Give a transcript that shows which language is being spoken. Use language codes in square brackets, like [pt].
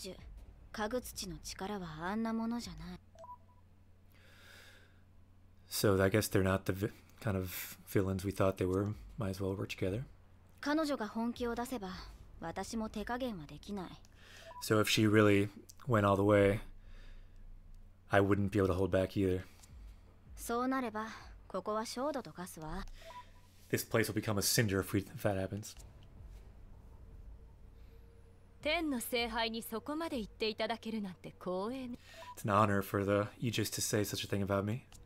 [ja] 昨年、帝国の宝珠、家具土の力はあんなものじゃない。 [en] So I guess they're not the kind of villains we thought they were. Might as well work together. [ja] 彼女が本気を出せば、私も手加減はできない。 [en] So if she really went all the way, I wouldn't be able to hold back either. [ja] そうなれば、ここは焦土と化すわ。 [en] This place will become a cinder if that happens. [ja] 天の聖杯にそこまで言っていただけるなんて光栄。 [en] It's an honor for the Aegis to say such a thing about me.